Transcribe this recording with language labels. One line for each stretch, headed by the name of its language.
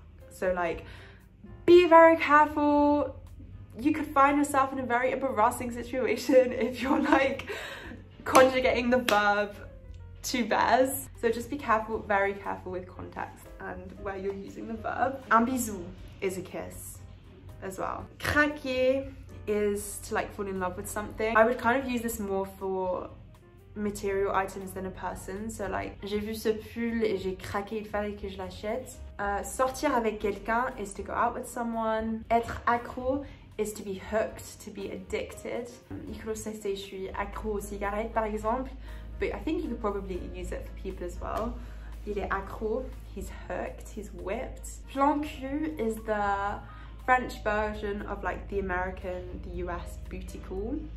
English: So like, be very careful. You could find yourself in a very embarrassing situation if you're like conjugating the verb to bears. So just be careful, very careful with context and where you're using the verb.
French: Un bisou
English: is a kiss as well. Craquer is to like fall in love with something. I would kind of use this more for material items than a person. So like,
French: j'ai vu ce pull et j'ai craqué, il fallait que je l'achète. Sortir avec quelqu'un
English: is to go out with someone.
French: Être accro
English: is to be hooked, to be addicted. You could also say
French: je suis accro aux cigarettes, par exemple,
English: but I think you could probably use it for people as well.
French: Il est accro,
English: he's hooked, he's whipped. Plan cul is the French version of like the American, the US booty call.